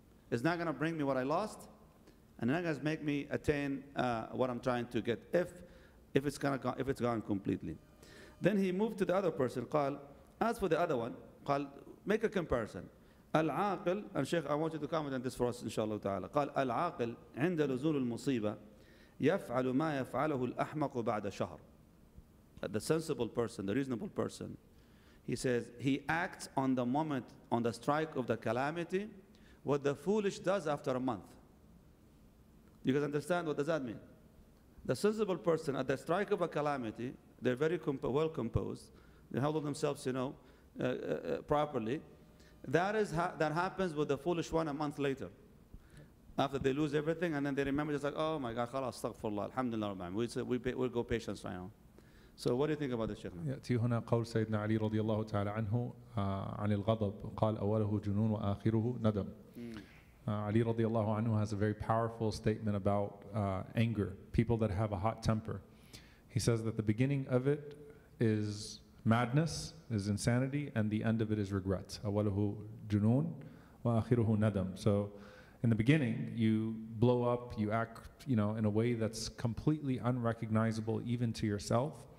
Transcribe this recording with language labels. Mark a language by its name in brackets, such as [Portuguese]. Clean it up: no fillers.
[English] It's not going to bring me what I lost, and that has make me attain what I'm trying to get, if it's gone completely. Then he moved to the other person. قال, as for the other one, قال, make a comparison. العاقل, and Sheikh, I want you to comment on this for us, inshallah ta'ala. [Arabic] قال, العاقل عند لزول المصيبة يفعل ما يفعله الأحمق بعد شهر. [English] The sensible person, the reasonable person, he says, he acts on the moment, on the strike of the calamity, what the foolish does after a month. You guys understand what does that mean? The sensible person at the strike of a calamity, they're very well composed, they handle themselves, you know, properly. That happens with the foolish one a month later, after they lose everything, and then they remember, just like, oh my God, khalas, astaghfirullah, alhamdulillah, we go patience right now. So what do you think about this, Sheikh? [Arabic] يأتي هنا قول سيدنا علي رضي الله تعالى عنه عن الغضب قال أوله جنون وآخره ندم. [English] Ali radiallahu anhu has a very powerful statement about anger, people that have a hot temper. He says that the beginning of it is madness, is insanity, and the end of it is regret. [Arabic] Awaluhu junoon wa akhiruhu nadam. [English] So in the beginning, you blow up, you act, you know, in a way that's completely unrecognizable even to yourself.